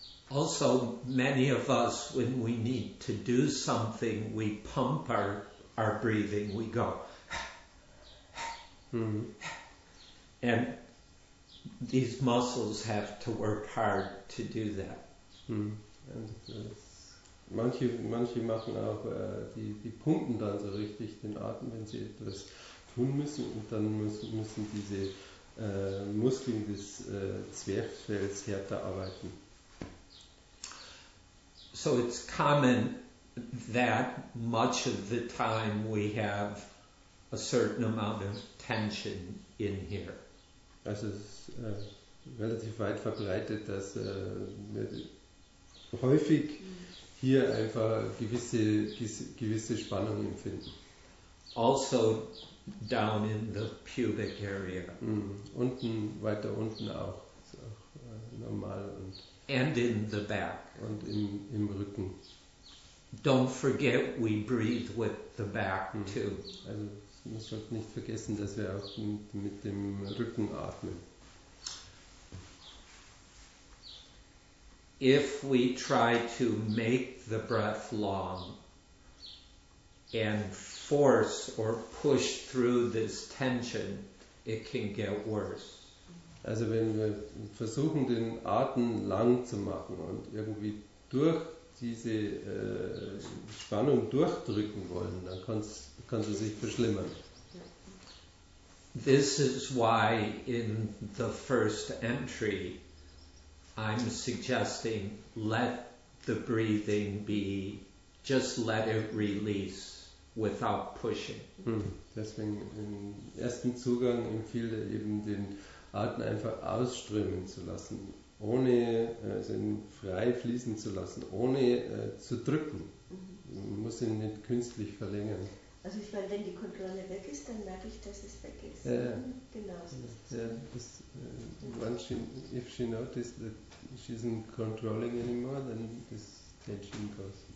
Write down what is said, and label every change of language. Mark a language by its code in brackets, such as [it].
[en] Also many of us, when we need to do something, we pump our breathing, we go and these muscles have to work hard to do that. Hm. [de] Und manche machen auch die pumpen dann so richtig den Atem, wenn sie etwas tun müssen, und dann müssen diese Muskeln des Zwerchfells härter arbeiten. [en] So it's common that much of the time we have a certain amount of tension in here. [de] Also es ist relativ weit verbreitet, dass wir häufig hier einfach gewisse Spannung empfinden. [en] Also down in the pubic area. [de] Mm, unten, weiter unten auch. Ist auch normal. [en] And in the back. [de] Und im Rücken. [en] Don't forget we breathe with the back too. [de] Also, man sollte nicht vergessen, dass wir auch mit dem Rücken atmen. [en] If we try to make the breath long and force or push through this tension, it can get worse. [de] Also wenn wir versuchen, den Atem lang zu machen und irgendwie durch diese Spannung durchdrücken wollen, dann kann sie sich verschlimmern. [en] This is why in the first entry I'm suggesting let the breathing be, just let it release without pushing. [de] Deswegen im ersten Zugang empfiehlt er eben den Atem einfach ausströmen zu lassen, ohne ihn frei fließen zu lassen, ohne zu drücken. Man muss ihn nicht künstlich verlängern. Also ich meine, wenn die Kontrolle weg ist, dann merke ich, dass es weg ist. Ja. Genau. [en] Ja, if she notices that she isn't controlling anymore, then this tension goes.